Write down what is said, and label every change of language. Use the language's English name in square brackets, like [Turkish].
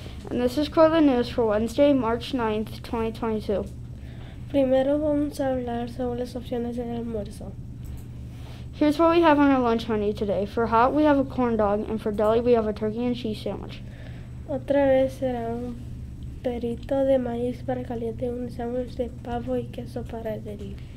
[English] And this is Cortland News for Wednesday, March 9th, 2022. [Spanish] Primero vamos a hablar sobre las opciones del almuerzo. [English] Here's what we have on our lunch menu today. For hot, we have a corn dog, and for deli, we have a turkey and cheese sandwich. [Spanish] Otra vez será un perrito de maíz para caliente, un sandwich de pavo y queso para deli.